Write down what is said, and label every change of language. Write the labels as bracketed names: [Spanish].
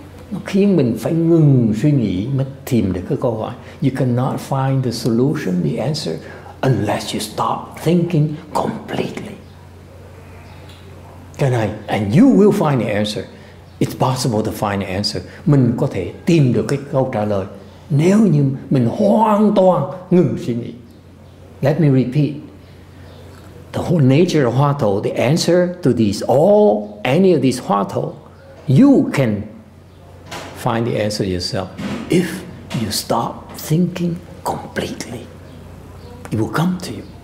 [Vietnamese] Nó khiến mình phải ngừng suy nghĩ mới tìm được cái câu hỏi. [English] You cannot find the solution, the answer, unless you stop thinking completely. Can I? And you will find the answer. It's possible to find the answer. [Vietnamese] Mình có thể tìm được cái câu trả lời nếu như mình hoàn toàn ngừng suy nghĩ. [English] Let me repeat. The whole nature of HuaTou, the answer to these, all, any of these HuaTou, you can find the answer yourself. If you stop thinking completely, it will come to you.